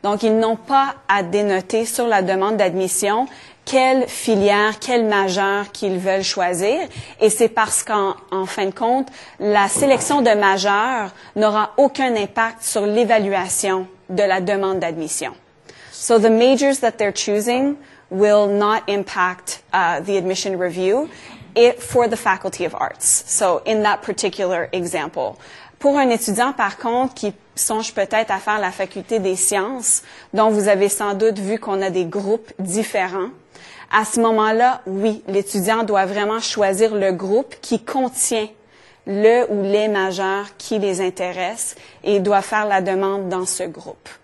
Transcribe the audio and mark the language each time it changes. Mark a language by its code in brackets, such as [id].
[fr] Donc, ils n'ont pas à dénoter sur la demande d'admission quelle filière, quel majeur qu'ils veulent choisir. Et c'est parce qu'en fin de compte, la sélection de majeur n'aura aucun impact sur l'évaluation de la demande d'admission. [en] So the majors that they're choosing will not impact the admission review for the Faculty of Arts. So in that particular example. [fr] Pour un étudiant, par contre, qui songe peut-être à faire la Faculté des sciences, dont vous avez sans doute vu qu'on a des groupes différents, à ce moment-là, oui, l'étudiant doit vraiment choisir le groupe qui contient le ou les majeurs qui les intéressent et doit faire la demande dans ce groupe.